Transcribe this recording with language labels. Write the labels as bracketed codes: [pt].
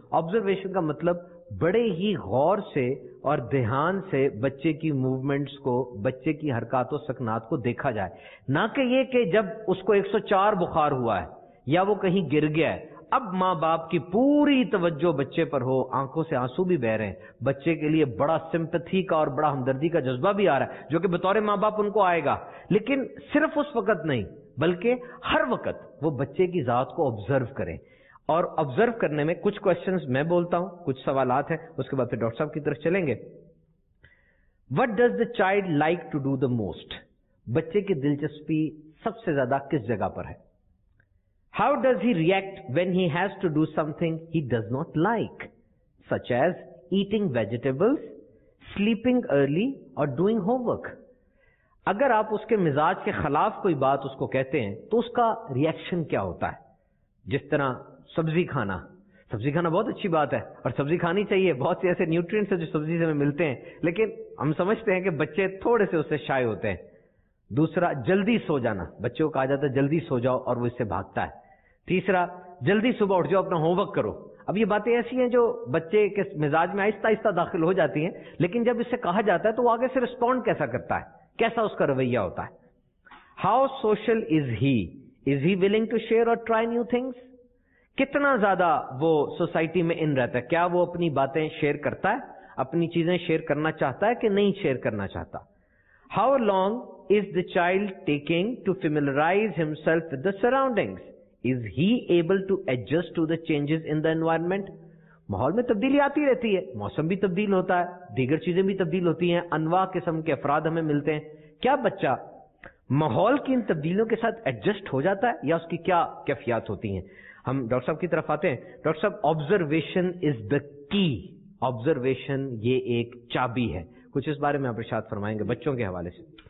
[hi] Observation का मतलब बड़े ही गौर से और ध्यान से बच्चे की मूवमेंट्स को, बच्चे की हरकतों सकनात को देखा जाए, ना कि ये कि जब उसको 104 बुखार हुआ है या वो कहीं गिर गया है, अब मां बाप की पूरी तवज्जो बच्चे पर हो, आंखों से आंसू भी बह रहे हैं, बच्चे के लिए बड़ा सिंपथी का और बड़ा हमदर्दी का जज्बा भी आ रहा है जो कि बतौर मां बाप उनको आएगा, लेकिन सिर्फ उस वक्त नहीं बल्कि हर वक्त वो बच्चे की जात को ऑब्जर्व करें। और ऑब्जर्व करने में कुछ क्वेश्चंस मैं बोलता हूं, कुछ सवालात हैं, उसके बाद फिर डॉक्टर साहब की तरफ चलेंगे। [en] What does the child like to do the most? [hi] बच्चे की दिलचस्पी सबसे ज्यादा किस जगह पर है? [en] How does he react when he has to do something he does not like, such as eating vegetables, sleeping early or doing homework? [hi] अगर आप उसके मिजाज के खिलाफ कोई बात उसको कहते हैं तो उसका रिएक्शन क्या होता है? जिस तरह सब्जी खाना, सब्जी खाना बहुत अच्छी बात है और सब्जी खानी चाहिए, बहुत से ऐसे न्यूट्रिएंट्स हैं जो सब्जी से हमें मिलते हैं, लेकिन हम समझते हैं कि बच्चे थोड़े से उससे शाय होते हैं। दूसरा, जल्दी सो जाना, बच्चों को कहा जाता है जल्दी सो जाओ और वो इससे भागता है। तीसरा, जल्दी सुबह उठ जाओ, अपना होमवर्क करो। अब ये बातें ऐसी हैं जो बच्चे के मिजाज में आहिस्ता आहिस्ता दाखिल हो जाती हैं, लेकिन जब इससे कहा जाता है तो वो आगे से रिस्पॉन्ड कैसा करता है, कैसा उसका रवैया होता है? [en] How social is he? Is he willing to share और try new things? [hi] कितना ज्यादा वो सोसाइटी में इन रहता है? क्या वो अपनी बातें शेयर करता है, अपनी चीजें शेयर करना चाहता है कि नहीं शेयर करना चाहता? [en] How long is the child taking to familiarize himself with the surroundings? Is he able to adjust to the changes in the environment? [hi] माहौल में तब्दीली आती रहती है, मौसम भी तब्दील होता है, दीगर चीजें भी तब्दील होती हैं, अनवा किस्म के अफराद हमें मिलते हैं। क्या बच्चा माहौल की इन तब्दीलियों के साथ एडजस्ट हो जाता है या उसकी क्या कैफियत होती हैं? हम डॉक्टर साहब की तरफ आते हैं। डॉक्टर साहब, [en] observation is the key, [hi] observation ये एक चाबी है, कुछ इस बारे में आप इरशाद फरमाएंगे बच्चों के हवाले से।